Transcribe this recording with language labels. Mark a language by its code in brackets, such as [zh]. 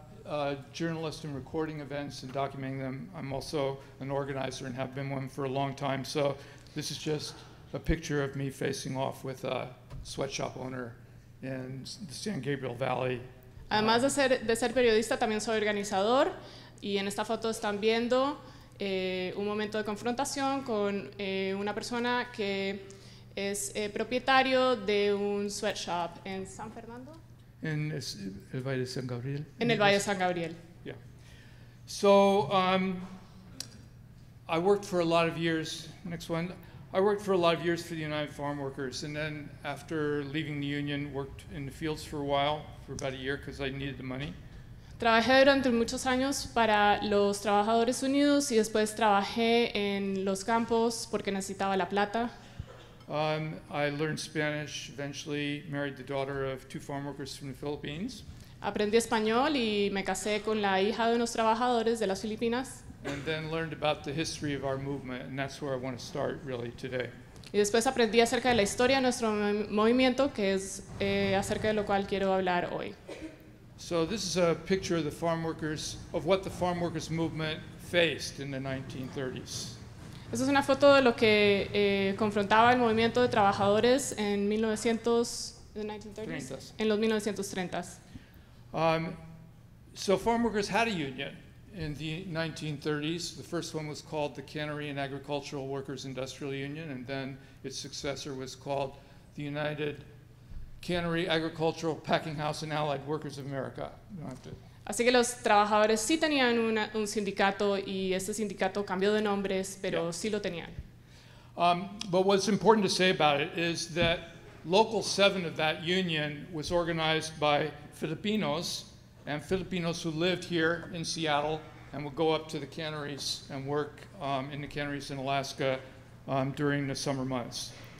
[en] a journalist and recording events and documenting them. I'm also an organizer and have been one for a long time. So this is just a picture of me facing off with a sweatshop owner in the San Gabriel Valley. [es] Además de ser periodista, también soy organizador. Y en esta foto están viendo un momento de confrontación con una persona que es propietario de un sweatshop en San Fernando. In El Valle de San Gabriel. In El Valle de San Gabriel. [en] Yeah. So I worked for a lot of years. Next one. I worked for a lot of years for the United Farmworkers, and then after leaving the union, worked in the fields for a while, for about a year, because I needed the money. [es] Trabajé durante muchos años para los Trabajadores Unidos, y después trabajé en los campos porque necesitaba la plata. [en] I learned Spanish, eventually married the daughter of two farm workers from the Philippines. [es] Aprendí español y me casé con la hija de unos trabajadores de las Filipinas. [en] And then learned about the history of our movement, and that's where I want to start really today. [es] Y después aprendí acerca de la historia de nuestro movimiento, que es acerca de lo cual quiero hablar hoy. [en] So this is a picture of the farm workers, of what the farm workers movement faced in the 1930s. [es] Esa es una foto de lo que confrontaba el movimiento de trabajadores en 1930s. [en] So farmworkers had a union in the 1930s. The first one was called the Cannery and Agricultural Workers Industrial Union, and then its successor was called the United Cannery Agricultural Packing House and Allied Workers of America. [es] Así que los trabajadores sí tenían un sindicato y ese sindicato cambió de nombres, pero yeah, sí lo tenían. [en] But what's important to say about it is that Local 7 of that union was organized by Filipinos, and Filipinos who lived here in Seattle and would go up to the canneries and work in the canneries in Alaska during the summer months.